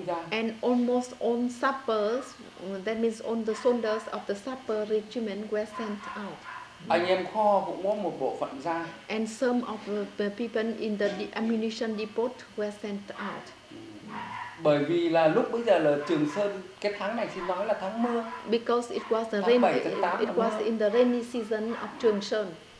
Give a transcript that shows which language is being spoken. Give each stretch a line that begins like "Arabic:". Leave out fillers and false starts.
English: And almost all sappers, that means all the soldiers of the sapper regiment were sent out.
Vietnamese: Anh em kho cũng có một bộ phận ra.
English: And some of the people in the ammunition depot were sent out.
Vietnamese: Bởi vì là lúc bây giờ là Trường Sơn, cái tháng này xin nói là tháng mưa.
English: Because it was the rainy, it was in the rainy season of Trường Sơn.